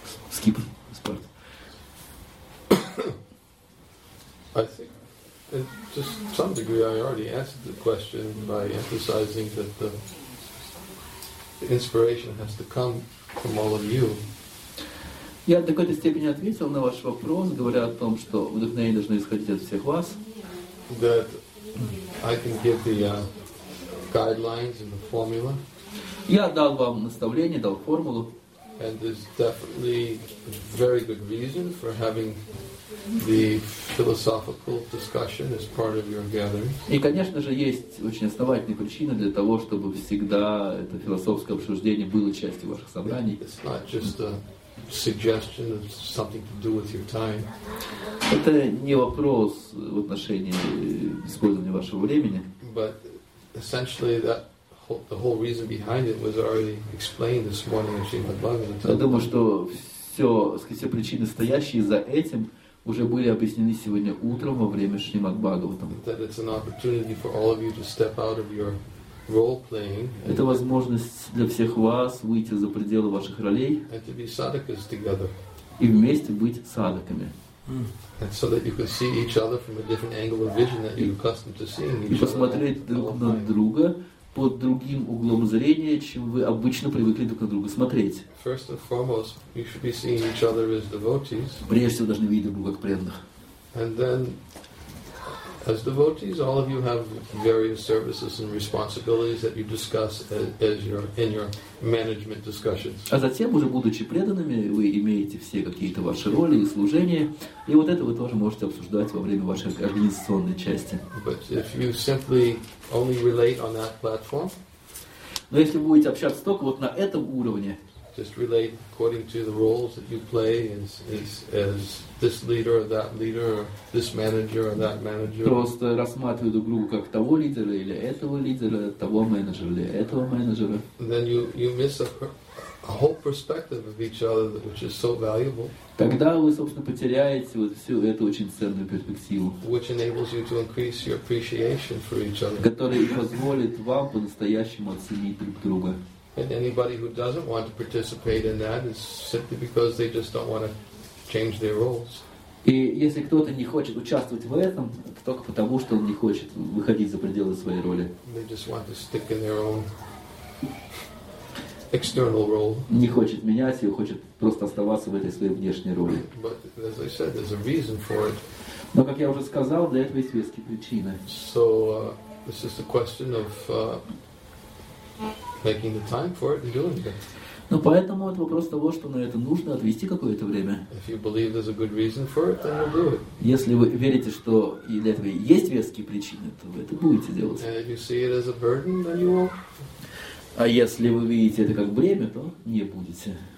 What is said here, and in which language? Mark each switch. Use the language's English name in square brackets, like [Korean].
[English] Skip this part. I think, to some degree, I already answered the question by emphasizing that the inspiration has to come from all of you. [Russian] Я до какой-то степени ответил на ваш вопрос, говоря о том, что вдохновение должно исходить от всех вас. [English] That I can give the guidelines and the formula. [Russian] Я дал вам наставление, дал формулу. [English] And there's definitely a very good reason for having the philosophical discussion as part of your gathering. [Russian] И, конечно же, есть очень основательная причина для того, чтобы всегда это философское обсуждение было частью ваших собраний. [English] It's not just a suggestion of something to do with your time. [Russian] Это не вопрос в отношении использования вашего времени. [English] But essentially that whole, the whole reason behind it was already explained this morning in Srimad Bhagavatam. [Russian] Я думаю, что все, все причины, стоящие за этим, уже были объяснены сегодня утром во время Шримад Бхагаватам. [English] That it's an opportunity for all of you to step out of your role playing. [Russian] Это возможность для всех вас выйти за пределы ваших ролей. [English] And to be sadhakas together. [Russian] И вместе быть садхаками. [English] And so that you can see each other from a different angle of vision that you're accustomed to seeing. [Russian] И посмотреть друг на друга под другим углом зрения, чем вы обычно привыкли друг на друга смотреть. [English] First and foremost, you should be seeing each other as devotees. [Russian] Прежде всего, должны видеть друг друга как преданных. [English] And then, as devotees, all of you have various services and responsibilities that you discuss as your in your management discussions. [Russian] А затем уже будучи преданными, вы имеете все какие-то ваши роли и служения, и вот это вы тоже можете обсуждать во время вашей организационной части. [English] But if you simply only relate on that platform, [Russian] но если вы будете общаться только вот на этом уровне, [English] just relate according to the roles that you play as this leader or that leader or this manager or that manager. [Russian] Просто рассматривать друг друга как того лидера или этого лидера, того менеджера или этого менеджера. [English] Then you miss a whole perspective of each other, which is so valuable. [Russian] Тогда вы, собственно, потеряете вот всю эту очень ценную перспективу, [English] which enables you to increase your appreciation for each other. [Russian] Который позволит вам по-настоящему оценить друг друга. [English] And anybody who doesn't want to participate in that is simply because they just don't want to change their roles. [Russian] И если кто-то не хочет участвовать в этом, то только потому, что он не хочет выходить за пределы своей роли. [English] They just want to stick in their own external role. [Russian] Не хочет менять ее, хочет просто оставаться в этой своей внешней роли. [English] But as I said, there's a reason for it. [Russian] Но как я уже сказал, для этого есть веские причины. [English] So this is a question of making the time for it and doing it. [Russian] Но поэтому это вопрос того, что на это нужно отвести какое-то время. [English] If you believe there's a good reason for it, then you'll do it. [Russian] Если вы верите, что для этого есть веские причины, то вы это будете делать. [English] And if you see it as a burden, then you won't. [Russian] А если вы видите это как бремя, то не будете.